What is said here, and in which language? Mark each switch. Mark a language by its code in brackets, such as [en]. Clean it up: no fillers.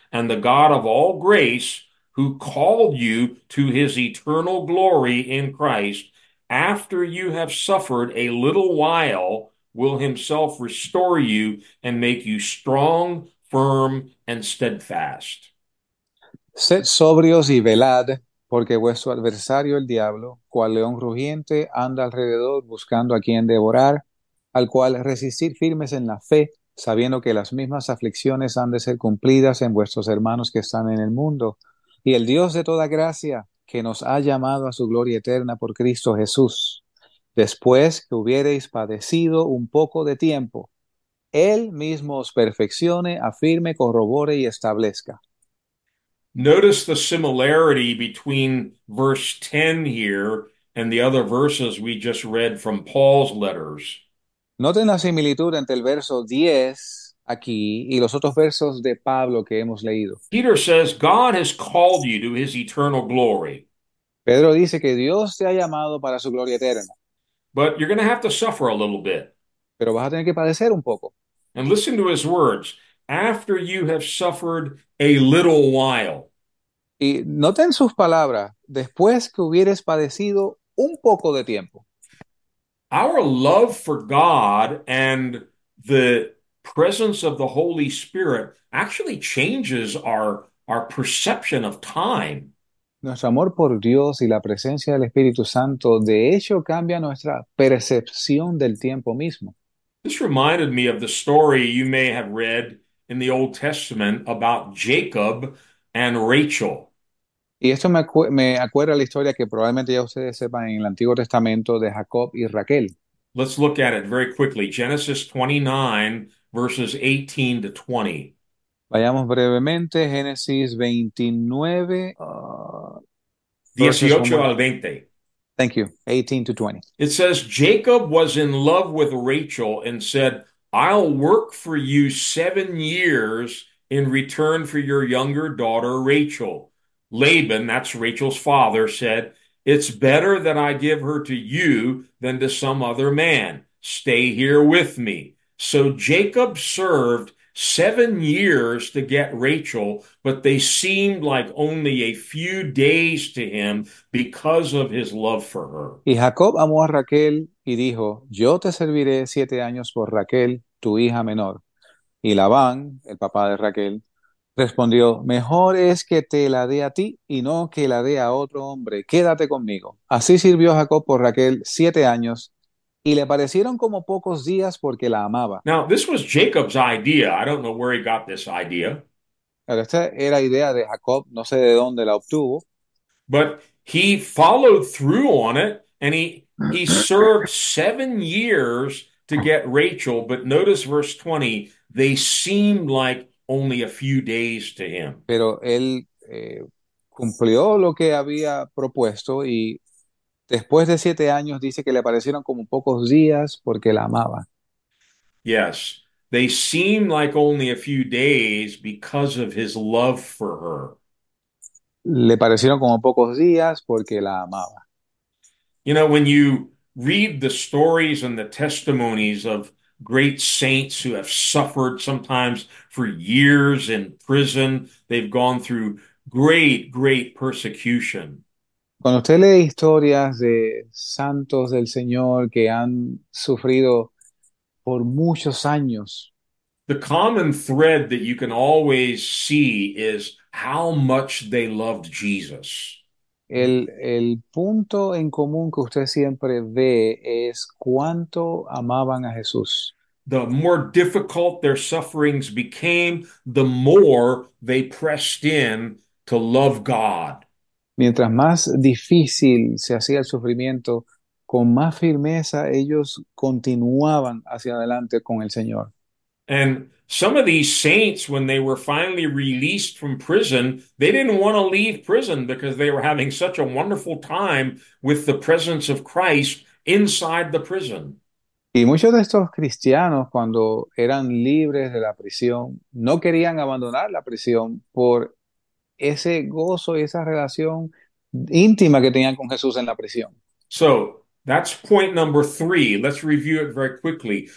[en] And the God of all grace, who called you to his eternal glory in Christ, after you have suffered a little while, will himself restore you and make you strong, firm, and steadfast. [es] Sed sobrios y velad, porque vuestro adversario, el diablo, cual león rugiente, anda alrededor buscando a quien devorar, al cual resistid firmes en la fe, sabiendo que las mismas aflicciones han de ser cumplidas en vuestros hermanos que están en el mundo. Y el Dios de toda gracia, que nos ha llamado a su gloria eterna por Cristo Jesús, después que hubiereis padecido un poco de tiempo, Él mismo os perfeccione, afirme, corrobore y establezca. [en] Notice the similarity between verse 10 here and the other verses we just read from Paul's letters. [es] Noten la similitud entre el verso 10 aquí y los otros versos de Pablo que hemos leído. [en] Peter says, God has called you to his eternal glory. [es] Pedro dice que Dios te ha llamado para su gloria eterna. [en] But you're going to have to suffer a little bit. [es] Pero vas a tener que padecer un poco. [en] And listen to his words. After you have suffered a little while. [es] Y noten sus palabras, después que hubieres padecido un poco de tiempo. [en] Our love for God and the presence of the Holy Spirit actually changes our perception of time. [es] Nuestro amor por Dios y la presencia del Espíritu Santo de hecho cambia nuestra percepción del tiempo mismo. [en] This reminded me of the story you may have read in the Old Testament about Jacob and Rachel. [es] Y esto me acuerda la historia que probablemente ya ustedes sepan en el Antiguo Testamento de Jacob y Raquel. [en] Let's look at it very quickly. Genesis 29, verses 18 to 20. [es] Vayamos brevemente, Génesis 29, verses 1 18 al al 20. [en] 20. Thank you, 18 to 20. It says, Jacob was in love with Rachel and said, I'll work for you 7 years in return for your younger daughter, Rachel. Laban, that's Rachel's father, said, it's better that I give her to you than to some other man. Stay here with me. So Jacob served 7 years to get Rachel, but they seemed like only a few days to him because of his love for her. [es] Y Jacob amó a Raquel y dijo, yo te serviré 7 años por Raquel, tu hija menor. Y Labán, el papá de Raquel, respondió, mejor es que te la dé a ti y no que la dé a otro hombre, quédate conmigo. Así sirvió Jacob por Raquel 7 años y le parecieron como pocos días porque la amaba. [en] Now, this was Jacob's idea. I don't know where he got this idea. [es] Pero esta era idea de Jacob, no sé de dónde la obtuvo. [en] But he followed through on it and he served 7 years to get Rachel. But notice verse 20, they seemed like only a few days to him. [es] Pero él cumplió lo que había propuesto y después de 7 años dice que le parecieron como pocos días porque la amaba. [en] Yes, they seem like only a few days because of his love for her. [es] Le parecieron como pocos días porque la amaba. [en] You know, when you read the stories and the testimonies of great saints who have suffered sometimes for years in prison, they've gone through great, great persecution. [es] Cuando usted lee historias de santos del Señor que han sufrido por muchos años, [en] The common thread that you can always see is how much they loved Jesus. [es] el punto en común que usted siempre ve es cuánto amaban a Jesús. [en] The more difficult their sufferings became, the more they pressed in to love God. [es] Mientras más difícil se hacía el sufrimiento, con más firmeza ellos continuaban hacia adelante con el Señor. [en] And some of these saints, when they were finally released from prison, they didn't want to leave prison because they were having such a wonderful time with the presence of Christ inside the prison. [es] Y muchos de estos cristianos, cuando eran libres de la prisión, no querían abandonar la prisión por ese gozo y esa relación íntima que tenían con Jesús en la prisión. [en] So, that's point number three. Let's review it very quickly.